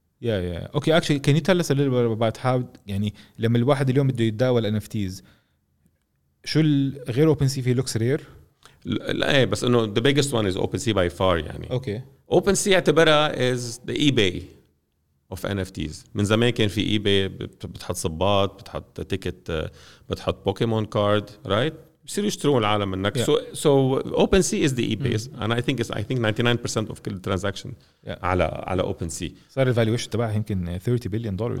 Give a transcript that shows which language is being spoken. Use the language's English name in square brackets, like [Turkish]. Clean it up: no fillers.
[English] Yeah yeah. Okay actually can you tell us a little bit about how [Arabic] يعني لما الواحد اليوم بده يتداول NFTs شو غير OpenSea فيه [English] looks rare؟ [Arabic] لا إيه بس إنه [English] the biggest one is OpenSea by far [Arabic] يعني. أوكي. [English] Okay. OpenSea [Arabic] اعتبرها [English] is the eBay. of NFTs. [Arabic] من زمان كان في eBay بتحط صبات بتحط تيكت بتحط بوكيمون كارد رايت بصير يشترون العالم منك yeah. [English] so OpenSea is the eBay and I think 99% of [Arabic] كل [English] transaction yeah. [Arabic] على OpenSea صار الفالويشن تبعها يمكن $30 billion